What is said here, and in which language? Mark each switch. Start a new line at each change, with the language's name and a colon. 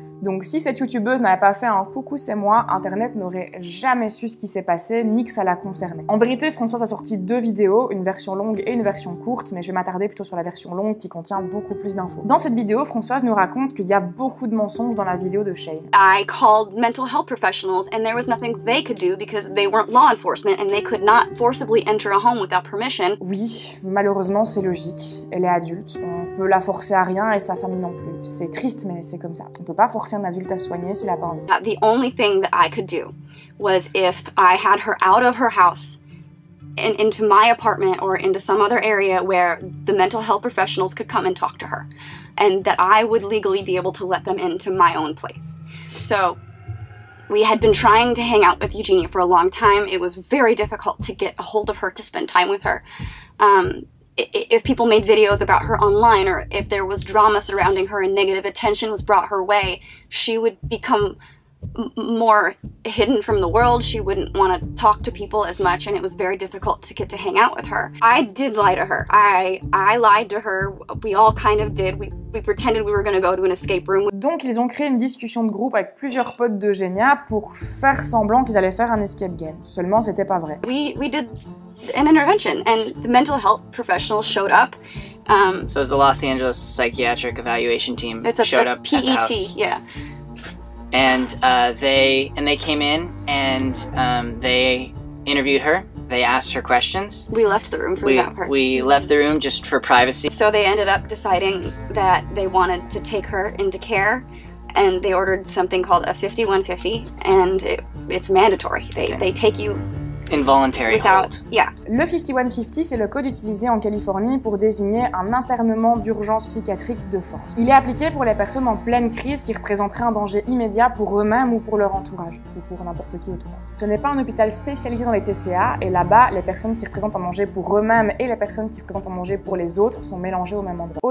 French: Donc si cette youtubeuse n'avait pas fait un coucou c'est moi, internet n'aurait jamais su ce qui s'est passé, ni que ça la concernait. En vérité, Françoise a sorti deux vidéos, une version longue et une version courte, mais je vais m'attarder plutôt sur la version longue qui contient beaucoup plus d'infos. Dans cette vidéo, Françoise nous raconte qu'il y a beaucoup de mensonges dans la vidéo de Shane.
English: I called mental health professionals and there was nothing they could do because they weren't law enforcement and they could not forcibly enter a home without permission.
French: Oui, malheureusement c'est logique, elle est adulte, on peut la forcer à rien et sa famille non plus. C'est triste mais c'est comme ça, on peut pas forcer un adulte à soigner s'il a pas envie.
English: The only thing that I could do was if I had her out of her house and into my apartment or into some other area where the mental health professionals could come and talk to her and that I would legally be able to let them into my own place. So we had been trying to hang out with Eugenia for a long time. It was very difficult to get a hold of her, to spend time with her. If people made videos about her online or if there was drama surrounding her and negative attention was brought her way, she would become more hidden from the world. She wouldn't want to talk to people as much and it was very difficult to get to hang out with her. I did lie to her. I lied to her. We all kind of did. We pretended we were going to go to an escape room.
French: Donc ils ont créé une discussion de groupe avec plusieurs potes de Genia pour faire semblant qu'ils allaient faire un escape game. Seulement c'était pas vrai.
English: We did an intervention and the mental health professionals showed up. So it was the Los Angeles psychiatric evaluation team showed up PET, at the house. Yeah. And they came in and they interviewed her. They asked her questions. We left the room for that part. We left the room just for privacy. So they ended up deciding that they wanted to take her into care, and they ordered something called a 5150, and it's mandatory. They take you. Involuntary hold. Yeah.
French: Le 5150, c'est le code utilisé en Californie pour désigner un internement d'urgence psychiatrique de force. Il est appliqué pour les personnes en pleine crise qui représenteraient un danger immédiat pour eux-mêmes ou pour leur entourage, ou pour n'importe qui autour. Ce n'est pas un hôpital spécialisé dans les TCA, et là-bas, les personnes qui représentent un danger pour eux-mêmes et les personnes qui représentent un danger pour les autres sont mélangées au même endroit.